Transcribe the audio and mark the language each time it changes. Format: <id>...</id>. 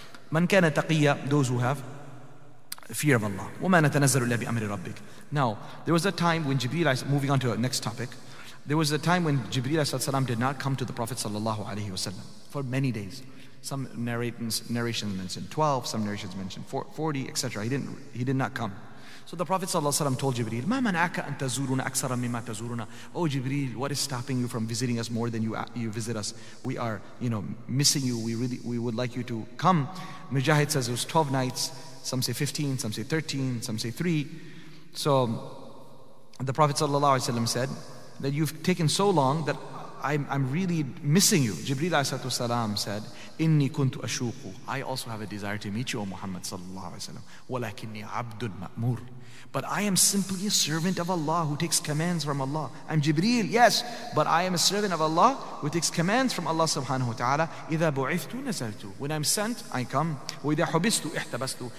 <ar>Man kana taqiyya,</ar> <en>those who have fear of Allah.</en> <ar>وَمَا نَتَنَزَّلُ إِلَّا بِأَمْرِ رَبِّكَ.</ar> <en>Now, there was a time when Jibreel, moving on to our next topic, there was a time when Jibreel salam, did not come to the Prophet wasallam for many days. Some narrations mentioned 12, some narrations mentioned 40, etc. He did not come. So the Prophet wasallam told Jibreel,</en> <ar>مَا مَنَعَكَ أَن تَزُورُنَا أَكْثَرَ مِمَّا تَزُورُنَا.</ar> <en>Oh Jibreel, what is stopping you from visiting us more than you visit us? We are, you know, missing you. We would like you to come. Mujahid says it was 12 nights. Some say 15, some say 13, some say 3. So the Prophet ﷺ said that you've taken so long that I'm really missing you. Jibreel ﷺ said,</en> <ar>إِنِّي كُنْتُ أَشُوقُ.</ar> <en>I also have a desire to meet you, O Muhammad ﷺ.</en> <ar>وَلَكِنِّي عَبْدٌ مَأْمُورٌ.</ar> <en>But I am simply a servant of Allah who takes commands from Allah. I'm Jibreel, yes, but I am a servant of Allah who takes commands from Allah subhanahu wa ta'ala.</en> <ar>إِذَا بُعِثْتُ نَزَلْتُ.</ar> <en>When I'm sent, I come.</en> <ar>وَإِذَا حُبِسْتُ إِحْتَبَسْتُ.</ar>